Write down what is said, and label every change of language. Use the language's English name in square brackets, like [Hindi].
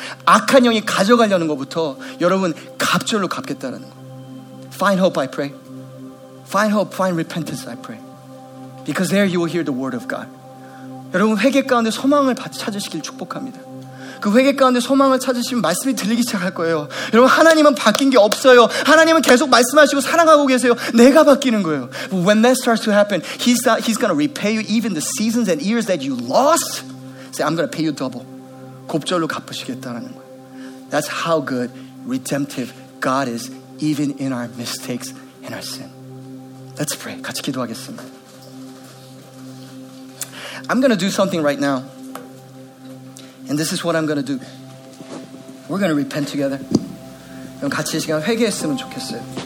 [Korean] 악한 영이 가져가려는 것부터 여러분 갑절로 갚겠다는 거. [English] Find hope, I pray. Find hope, find repentance, I pray. Because there you will hear the word of God. [Korean] 여러분 회개 가운데 소망을 찾으시길 축복합니다. 그 회개 가운데 소망을 찾으시면 말씀이 들리기 시작할 거예요. 여러분 하나님은 바뀐 게 없어요. 하나님은 계속 말씀하시고 사랑하고 계세요. 내가 바뀌는 거예요. [English] But when that starts to happen, he's going to repay you even the seasons and years that you lost. Say, I'm going to pay you double. [Korean] 곱절로 갚으시겠다라는 거예요. [English] That's how good, redemptive God is even in our mistakes and our sin. Let's pray. [Korean] 같이 기도하겠습니다. [English] I'm going to do something right now. And this is what I'm going to do. We're going to repent together. [Korean] 그럼 같이 이 시간 회개했으면 좋겠어요.